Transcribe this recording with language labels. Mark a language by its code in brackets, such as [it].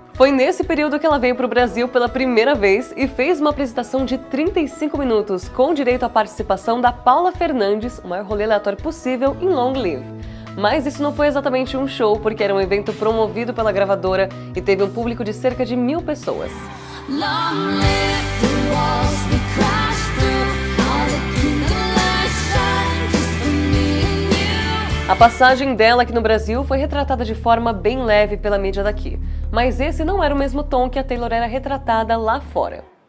[pt] Foi nesse período que ela veio para o Brasil pela primeira vez e fez uma apresentação de 35 minutos com direito à participação da Paula Fernandes, o maior rolê aleatório possível, em Long Live. Mas isso não foi exatamente um show, porque era um evento promovido pela gravadora e teve um público de cerca de 1000 pessoas. [en] Long live the walls we crash through, all accumulation just for me and you. [pt] A passagem dela aqui no Brasil foi retratada de forma bem leve pela mídia daqui. Mas esse não era o mesmo tom que a Taylor era retratada lá fora.